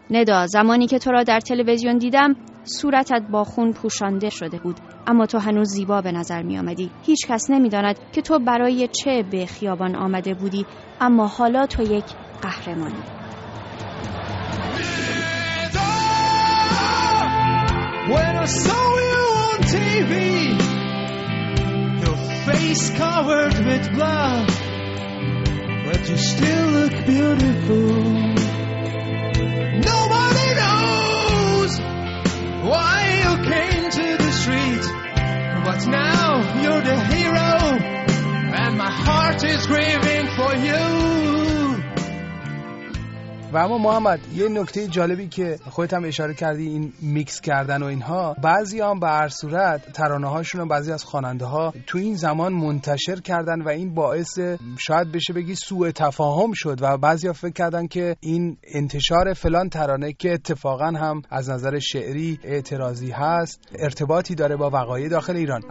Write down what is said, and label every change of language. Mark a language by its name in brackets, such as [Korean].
[Persian] ندا، زمانی که تو را در تلویزیون دیدم صورتت با خون پوشانده شده بود، اما تو هنوز زیبا به نظر می آمدی. هیچ کس نمی داند که تو برای چه به خیابان آمده بودی، اما حالا تو یک قهرمانی. [English] When I saw you on TV, your face covered with blood, but you still look beautiful. Nobody knows why you came to the street, but now you're the hero, and my heart is grieving for you. [Persian] و اما محمد، یه نکته جالبی که خودت هم اشاره کردی، این میکس کردن و اینها، بعضی هم به هر صورت ترانه هاشون و بعضی از خواننده ها تو این زمان منتشر کردن و این باعث شاید بشه بگی سوء تفاهم شد و بعضی ها فکر کردن که این انتشار فلان ترانه که اتفاقا هم از نظر شعری اعتراضی هست ارتباطی داره با وقایع داخل ایران.